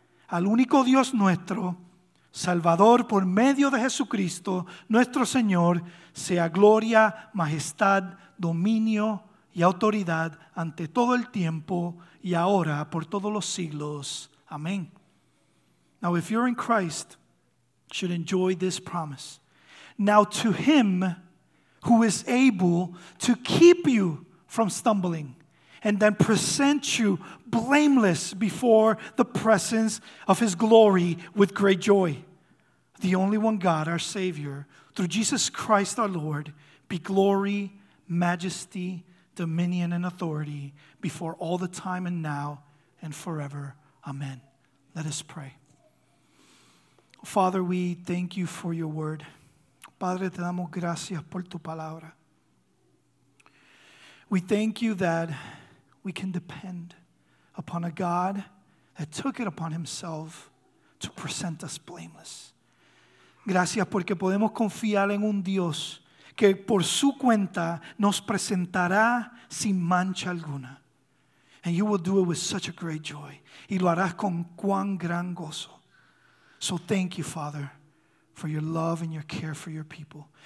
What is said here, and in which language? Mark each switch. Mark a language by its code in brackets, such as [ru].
[es] Al único Dios nuestro, Salvador, por medio de Jesucristo, nuestro Señor, sea gloria, majestad, dominio y autoridad ante todo el tiempo y ahora por todos los siglos. Amén. [en] Now, if you're in Christ, you should enjoy this promise. Now, to Him who is able to keep you from stumbling and then present you blameless before the presence of His glory with great joy. The only one God, our Savior, through Jesus Christ our Lord, be glory, majesty, dominion, and authority before all the time and now and forever. Amen. Let us pray. Father, we thank you for your word. [es] Padre, te damos gracias por tu palabra. [en] We thank you that we can depend upon a God that took it upon himself to present us blameless. [es] Gracias porque podemos confiar en un Dios que por su cuenta nos presentará sin mancha alguna. [en] And you will do it with such a great joy. [es] Y lo harás con cuán gran gozo. [en] So thank you, Father, for your love and your care for your people.